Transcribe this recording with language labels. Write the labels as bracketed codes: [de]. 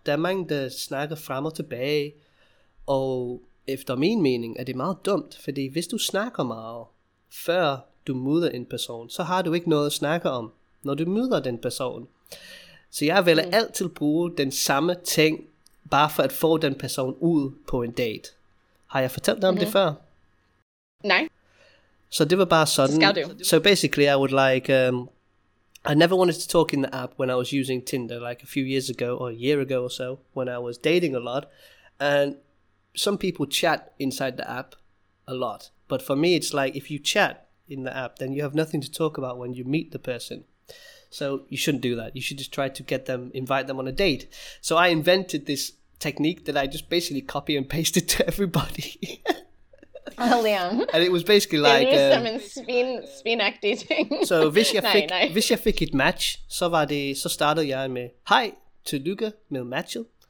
[da] Der er mange, der snakker frem og tilbage, og efter min mening er det meget dumt, fordi hvis du snakker meget, før du møder en person, så har du ikke noget at snakke om, når du møder den person. Så jeg vil altid bruge den samme ting, bare for at få den person ud på en date. Har jeg fortalt dig om det før? Nej. Så det var bare sådan. Skal du. [en] So basically, I would like... I never wanted to talk in the app when I was using Tinder, like a few years ago, or a year ago or so, when I was dating a lot. And some people chat inside the app a lot. But for me, it's like, if you chat in the app, then you have nothing to talk about when you meet the person. So you shouldn't do that. You should just try to get them, invite them on a date. So I invented this technique that I just basically copy and pasted to everybody. Oh, and it was basically like... [da] Det er som en spin act dating. So hvis jeg fik et match, så startede jeg med, hej, tillykke med matchet.